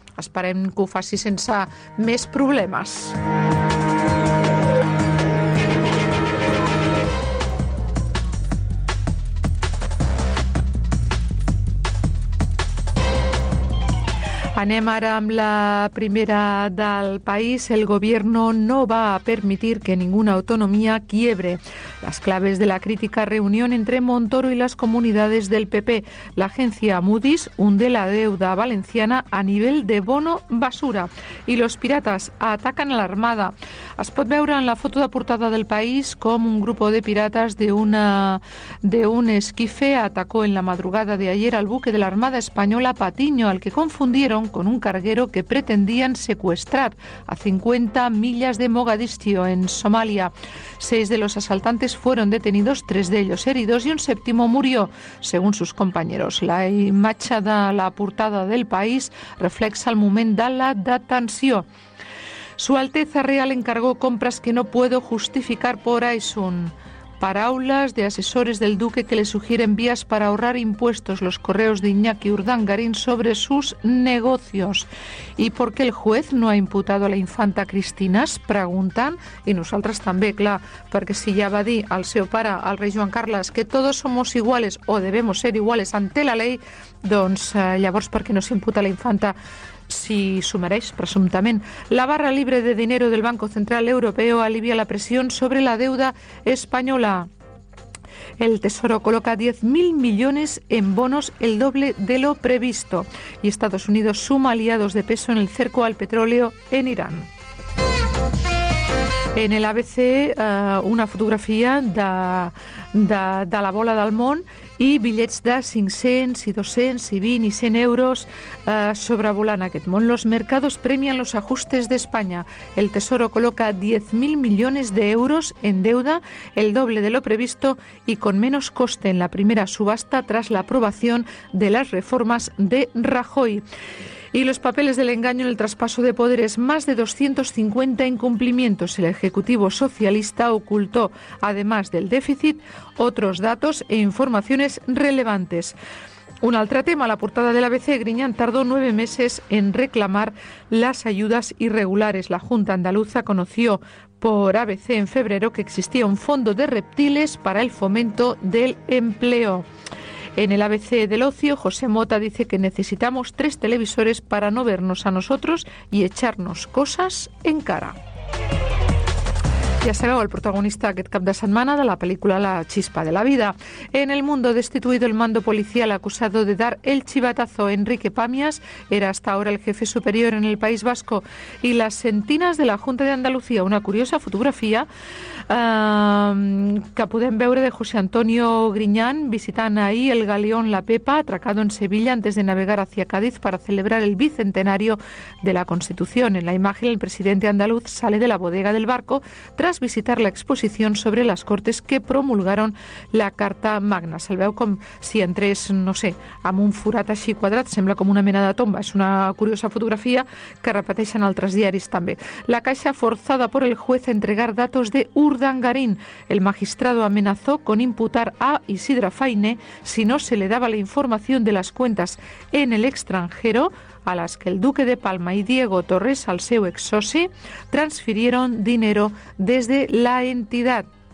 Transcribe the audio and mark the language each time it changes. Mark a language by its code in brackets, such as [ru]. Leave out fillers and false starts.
[ca] Esperem que ho faci sense més problemes. Anem ara amb la primera del país. [es] El gobierno no va a permitir que ninguna autonomía quiebre. Las claves de la crítica reunión entre Montoro y las comunidades del PP. La agencia Moody's hunde la deuda valenciana a nivel de bono basura. Y los piratas atacan a la Armada. [ca] Es pot veure en la foto de portada del país com [es] un grupo de piratas de un esquife atacó en la madrugada de ayer al buque de la Armada Española Patiño, al que confundieron con un carguero que pretendían secuestrar a 50 millas de Mogadiscio, en Somalia. 6 de los asaltantes fueron detenidos, 3 de ellos heridos y un séptimo murió, según sus compañeros. [ca] La imatge de la portada del país reflexa el moment de la detenció. [es] Su Alteza Real encargó compras que no puedo justificar por Aysun. Paraulas de asesores del duque que le sugieren vías para ahorrar impuestos, los correos de Iñaki Urdangarín sobre sus negocios. ¿Y por qué el juez no ha imputado a la infanta Cristina? Preguntan. Y nosotras también, claro, porque si ya va a decir [ca] al seu pare, [es] al rey Joan Carles, que todos somos iguales o debemos ser iguales ante la ley, [ca] doncs llavors perquè no s'imputa la infanta si s'ho mereix, presumptament. [es] La barra libre de dinero del Banco Central Europeo alivia la presión sobre la deuda española. El Tesoro coloca 10.000 millones en bonos, el doble de lo previsto. Y Estados Unidos suma aliados de peso en el cerco al petróleo en Irán. En el ABC, una fotografía [ca] de la bola del món i bitllets de 500, i 200, i 20, i 100 euros sobrevolant aquest món. [es] Los mercados premian los ajustes de España. El Tesoro coloca 10.000 millones de euros en deuda, el doble de lo previsto y con menos coste en la primera subasta tras la aprobación de las reformas de Rajoy. Y los papeles del engaño en el traspaso de poderes, más de 250 incumplimientos. El Ejecutivo socialista ocultó, además del déficit, otros datos e informaciones relevantes. [ca] Un altre tema, la portada de l'ABC, [es] Griñán tardó 9 meses en reclamar las ayudas irregulares. La Junta Andaluza conoció por ABC en febrero que existía un fondo de reptiles para el fomento del empleo. En el ABC del ocio, José Mota dice que necesitamos 3 televisores para no vernos a nosotros y echarnos cosas en cara. [ca] Ja sabeu, el protagonista aquest cap de setmana de la pel·lícula La chispa de la vida. [es] En El Mundo, destituido el mando policial acusado de dar el chivatazo a Enrique Pamias, era hasta ahora el jefe superior en el País Vasco, y Las sentinas de la Junta de Andalucía, [ca] una curiosa fotografia que podem veure de [es] José Antonio Griñán [ca] visitant ahir [es] el galeón La Pepa, atracado en Sevilla antes de navegar hacia Cádiz para celebrar el bicentenario de la Constitución. En la imagen, el presidente andaluz sale de la bodega del barco tras visitar la exposición sobre las Cortes que promulgaron la Carta Magna. [ca] Se'l veu com si entrés, no sé, amb un forat així quadrat, sembla com una mena de tomba. És una curiosa fotografia que repeteixen altres diaris també. [es] La Caixa, forzada por el juez a entregar datos de Urdangarín. El magistrado amenazó con imputar a Isidre Fainé si no se le daba la información de las cuentas en el extranjero a las que el duque de Palma y Diego Torres, [ca] al seu exsoci, [es] transfirieron dinero desde la entidad.